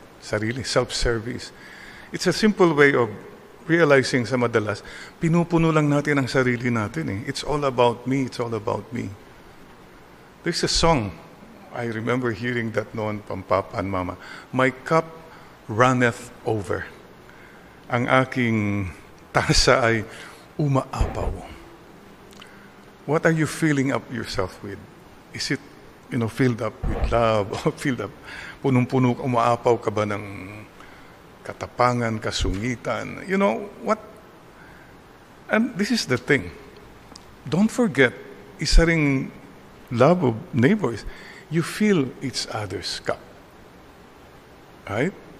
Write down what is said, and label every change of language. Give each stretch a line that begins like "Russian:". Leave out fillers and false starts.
Filipino: sarili, self-service.
English: It's a simple way of realizing
Filipino: sa madalas, pinupuno lang natin ang sarili natin. Eh.
English: It's all about me, it's all about me. There's a song, I remember hearing that noon from Papa and Mama. My cup runneth over.
Filipino: Ang aking tasa ay umaapaw.
English: What are you filling up yourself with? Is it, you know, filled up with love? Filled up,
Filipino: punong-puno, umaapaw ka ba ng katapangan, kasungitan?
English: You know, what? And this is the thing. Don't forget,
Filipino: isa ring
English: love of neighbors, you fill each other's cup. Right?